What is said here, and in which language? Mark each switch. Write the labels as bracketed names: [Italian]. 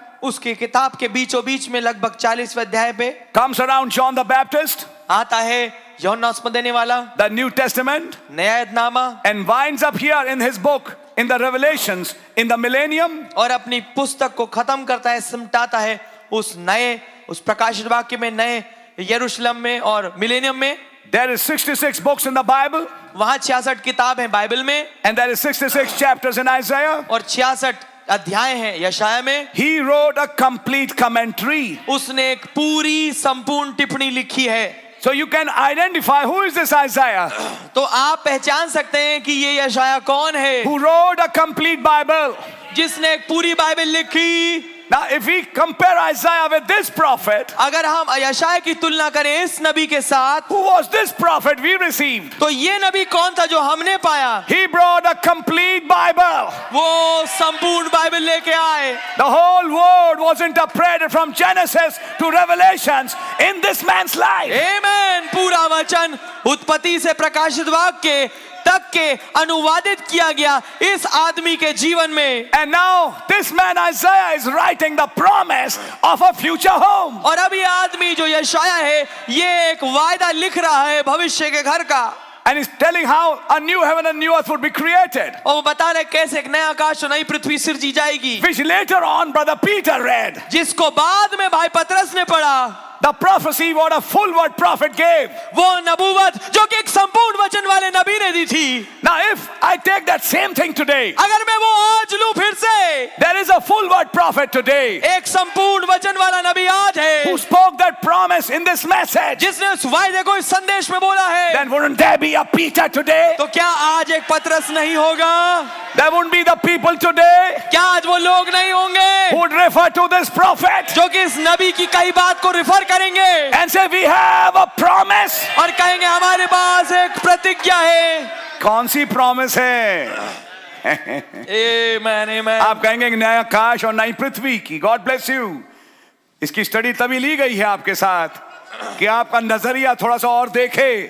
[Hindi] उसके किताब के बीचों बीच में लगभग 40वें अध्याय पे. [English] Comes around John the Baptist. [Hindi] आता है यूहन्ना उसमें देने वाला. [English] The New Testament. [Hindi] नया यतनामा. [English] And winds up here in his book, in the Revelations, in the millennium. [Hindi] और अपनी पुस्तक को खत्म करता है, सिमटाता है उस नए, उस प्रकाशित वाक्य में, नए यरूशलम में और मिलेनियम में. [English] There is 66 books in the Bible. [Hindi] वहाँ 66 किताब हैं बाइबल में. [English] And there is 66 chapters in Isaiah. [Hindi] और 66 अध्याय हैं यशाया में. [English] He wrote a complete commentary. [Hindi] उसने एक पूरी संपूर्ण टिप्पणी लिखी है. [English] So you can identify who is this Isaiah. [Hindi] तो आप पहचान सकते हैं कि ये यशाया कौन है. [English] Who wrote a complete Bible. [Hindi] जिसने एक पूरी बाइबल लिखी. [English] Now if we compare Isaiah with this prophet. [Hindi] अगर हम यशाया की तुलना करें इस नबी के साथ. [English] Who was this prophet we received. [Hindi] तो ये नबी कौन था जो हमने पाया. [English] He brought a complete Bible. [Hindi] वो संपूर्ण बाइबल लेके आए. [English] The whole word was interpreted from Genesis to Revelations in this man's life. Amen. [Hindi] पूरा वचन उत्पत्ति से प्रकाशित वाक्य तक के अनुवादित किया गया इस आदमी के जीवन में. [English] And now this man Isaiah is writing the promise of a future home. [Hindi] और अब ये आदमी जो यशाया है ये एक वायदा लिख रहा है भविष्य के घर का. [English] And he's telling how a new heaven and new earth would be created. [Hindi] और वो बता रहे कैसे एक नया आकाश और नई पृथ्वी सृजी जाएगी. [English] Which later on brother Peter read. [Hindi] जिसको बाद में भाई पत्रस ने पढ़ा. [English] The prophecy what a full word prophet gave. [Hindi] वो नबुवत जो कि एक संपूर्ण वचन वाले नबी ने दी थी. [English] Now if I take that same thing today. [Hindi] अगर मैं वो आज लूं फिर से. [English] There is a full word prophet today. [Hindi] एक संपूर्ण वचन वाला नबी आज है. [English] Who spoke that promise in this message. [Hindi] जिसने उस वायदे को इस संदेश में बोला है. [English] Then wouldn't there be a Peter today. [Hindi] तो क्या आज एक पत्रस नहीं होगा. [English] There wouldn't be the people today. [Hindi] क्या आज वो लोग नहीं होंगे. [English] Who would refer to this prophet. [Hindi] जो कि इस नबी की कई बात को refer करेंगे. [English] And say we have a promise. [Hindi] और कहेंगे हमारे पास एक प्रतिज्ञा है. कौन सी प्रॉमिस है. [English] Amen, amen. [Hindi] आप कहेंगे नया आकाश और नई पृथ्वी की. [English] God bless you. [Hindi] इसकी स्टडी तभी ली गई है आपके साथ कि आपका नजरिया थोड़ा सा और देखे.